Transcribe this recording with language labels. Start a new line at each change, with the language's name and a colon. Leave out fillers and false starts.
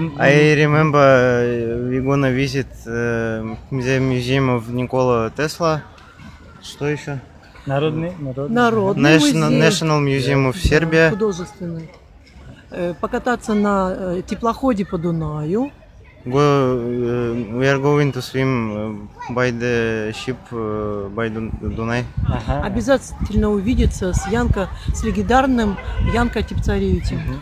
English: I remember we're gonna visit the museum of Nikola Tesla.
Russian: Что еще? Народный музей.
English: National Museum of Serbia.
Russian: Да, художественный. Покататься на теплоходе по Дунаю.
English: We are going to swim by the ship by Dunai. Uh-huh.
Russian: Обязательно увидеться с Янко, с легендарным Янко Тепцаревичем.